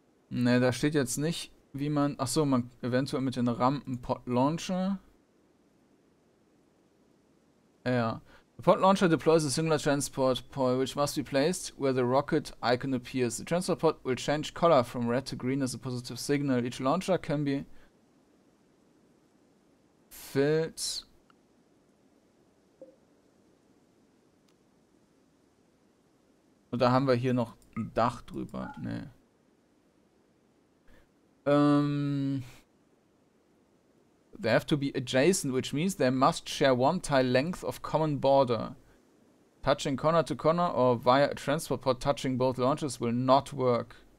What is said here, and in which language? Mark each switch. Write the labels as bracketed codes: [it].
[de] Ne, da steht jetzt nicht, wie man. Ach so, man eventuell mit den Rampen Pod Launcher. Ja. [en] The pod launcher deploys a singular transport pod, which must be placed where the rocket icon appears. The transport pod will change color from red to green as a positive signal. Each launcher can be filled. [de] Und da haben wir hier noch ein Dach drüber. Ne. [en] They have to be adjacent, which means they must share one tile length of common border. Touching corner to corner or via a transport pod touching both launches will not work.